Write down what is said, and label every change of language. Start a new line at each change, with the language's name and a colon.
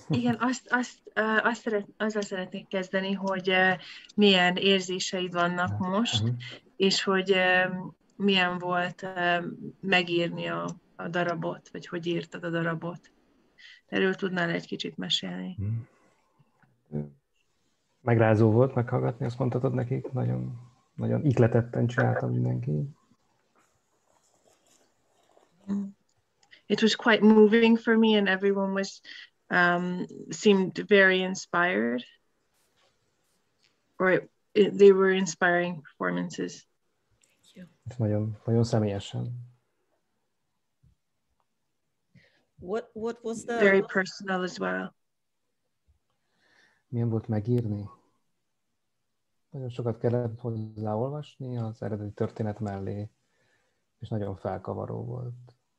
Hungarian: Igen, azzal szeretnék kezdeni, hogy milyen érzéseid vannak most, és hogy milyen volt megírni a darabot, vagy hogy írtad a darabot. Erről tudnál egy kicsit mesélni? Megrázó volt meghallgatni, azt mondtad nekik, nagyon, nagyon ikletetten csináltam mindenki.
English: It was quite moving for me, and everyone was seemed very inspired, or they were inspiring performances. Thank you.
Hungarian: Nagyon, nagyon személyesen.
English: What was the very personal as well?
Hungarian: Milyen volt megírni? Nagyon sokat kellett hozzáolvasni az eredeti történet mellé, és nagyon felkavaró volt.